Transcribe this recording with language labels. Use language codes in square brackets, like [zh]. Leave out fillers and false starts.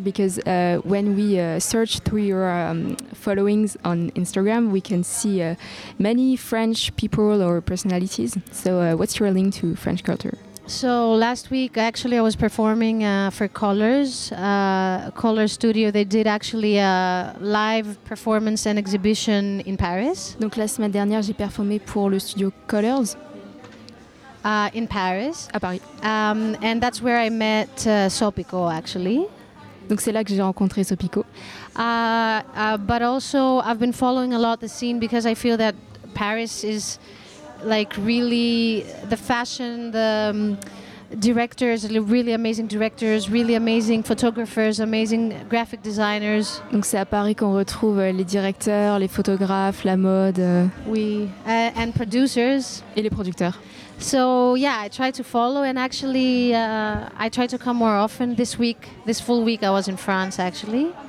[en] Because when we search through your followings on Instagram, we can see many French people or personalities. So what's your link to French culture? So last week, actually, I was performing for Colors. Colors Studio, they did actually a live performance and exhibition in Paris. [fr] Donc la semaine dernière, j'ai performé pour le studio Colors. [en] In Paris. [fr] À Paris. [en] And that's where I met Sopico, actually. [fr] Donc c'est là que j'ai rencontré Sopico. [en] But also, I've been following a lot the scene because I feel that Paris is like really the fashion, the directors, really amazing directors, really amazing photographers, amazing graphic designers. [fr] Donc c'est à Paris qu'on retrouve les directeurs, les photographes, la mode. [en] Oui, and producers. [fr] Et les producteurs. [en] So yeah, I try to follow, and actually I try to come more often this week. This full week I was in France, actually.